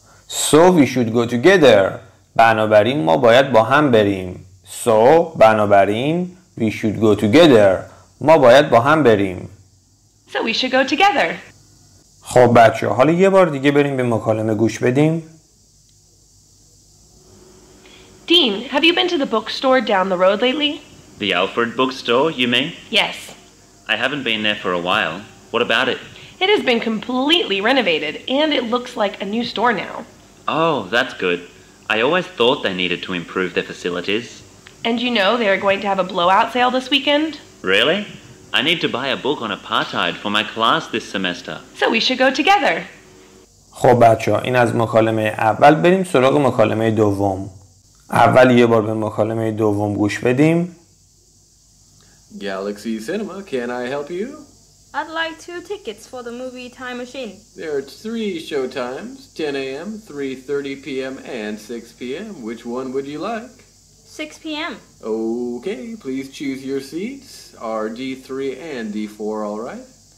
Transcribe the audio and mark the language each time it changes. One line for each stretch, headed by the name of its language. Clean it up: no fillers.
English: So we should go together.
Persian: بنابراین ما باید با هم بریم.
English: So
Persian: بنابراین
English: we should go together.
Persian: ما باید با هم بریم.
English: So we should go together.
Persian: خب بچه حالا یه بار دیگه بریم به مکالمه گوش بدیم.
English: Dean, have you been to the bookstore down the road lately? The Alfred bookstore, you mean? Yes. I haven't been there for a while. What about it? It has been completely renovated, and it looks like a new store now. Oh, that's good. I always thought they needed to improve their facilities. And you know they are going to have a blowout sale this weekend? Really? I need to buy a book on apartheid for my class this semester. So we should go together.
Persian: خب بچه‌ها، این از مکالمه اول. بریم سراغ مکالمه دوم. اول یه بار به مکالمه دوم گوش بدیم.
English: Galaxy Cinema, can I help you? I'd like two tickets for the movie Time Machine. There are three show times, 10 a.m., 3:30 p.m., and 6 p.m. Which one would you like? 6 p.m. Okay, please choose your seats. Are D3 and D4 all right?